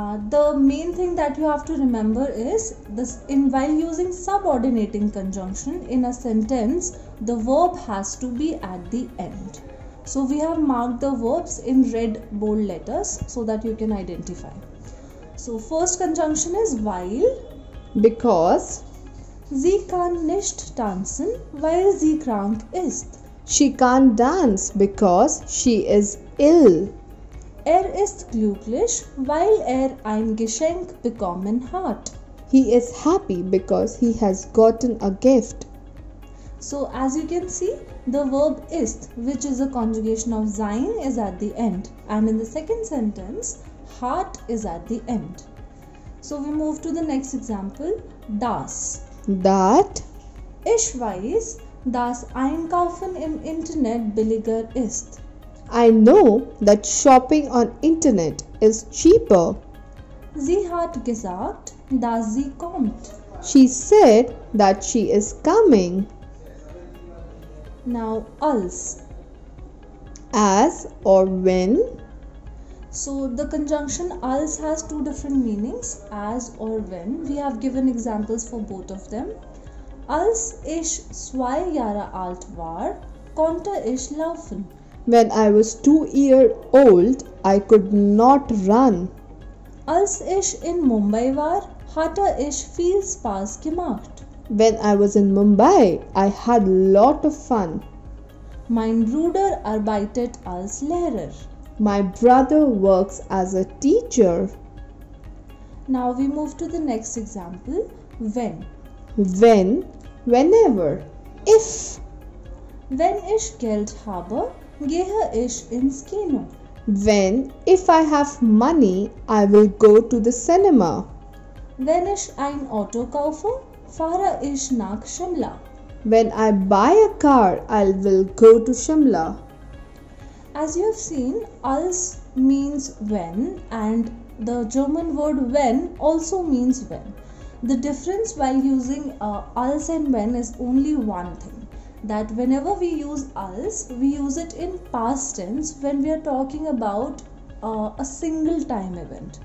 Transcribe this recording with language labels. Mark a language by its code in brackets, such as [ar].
[en] The main thing that you have to remember is this: in while using subordinating conjunction in a sentence, the verb has to be at the end. So we have marked the verbs in red bold letters so that you can identify. So first conjunction is while. Because. [de] Sie kann nicht tanzen, weil sie krank ist. [en] She can't dance because she is ill. [de] Ist glücklich, weil ein Geschenk bekommen hat. [en] He is happy because he has gotten a gift. So as you can see, the verb ist, which is a conjugation of sein, is at the end. And in the second sentence, hat is at the end. So we move to the next example, das. That. [de] Ich weiß, dass einkaufen im Internet billiger ist. [en] I know that shopping on internet is cheaper. [de] Sie hat gesagt, dass sie kommt. [en] She said that she is coming. Now, als. as or when. So the conjunction als has two different meanings, as or when. We have given examples for both of them. [de] Als ich 2 Jahre alt war, konnte ich laufen. [en] When I was 2 years old, I could not run. [de] Als ich in Mumbai war, hatte ich viel Spaß gemacht. [en] When I was in Mumbai, I had lot of fun. [de] Mein Bruder arbeitet als Lehrer. [en] My brother works as a teacher. Now we move to the next example. When? When, whenever, if. [de] Wenn ich Geld habe, gehe ich ins Kino. [en] When, if I have money, I will go to the cinema. [de] Wenn ich ein Auto kaufe, fahre ich nach Shimla. [en] When I buy a car, I will go to Shimla. As you have seen, als means when, and the German word when also means when. The difference while using als and when is only one thing, that whenever we use als, we use it in past tense when we are talking about a single time event.